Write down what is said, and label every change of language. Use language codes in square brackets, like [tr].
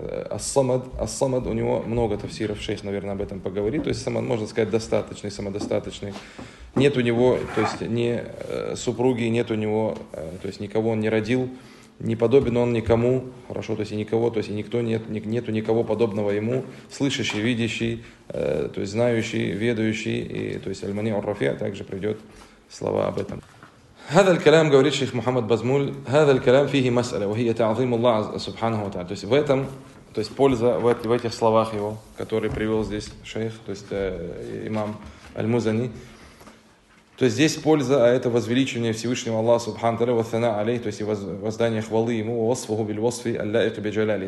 [ru] ас-самад, у него много тафсиров, шейх, наверное, об этом поговорит, то есть самад, можно сказать, достаточный, самодостаточный, нет у него, то есть ни супруги, нет у него, то есть никого он не родил, не подобен он никому, хорошо, то есть и никого, то есть и никто нет, нету никого подобного ему, слышащий, видящий, то есть знающий, ведающий, и то есть аль-мани ар-рафи' также придет слова об этом. [ar] هذا الكلام [ru] говорит шейх Мухаммад Базмуль, [ar] هذا الكلام فيه مسألة وهي تعظيم الله سبحانه وتعالى. [ru] То есть в этом, то есть польза в этих словах его, которые привел здесь шейх, то есть имам аль-Музани. То есть здесь польза, а это возвеличивание Всевышнего Аллаха Субхану Тааля, ва-сана алейхи, то есть и воздание хвалы ему, ва-сфуху биль-васфи ал-лаик би-джалали.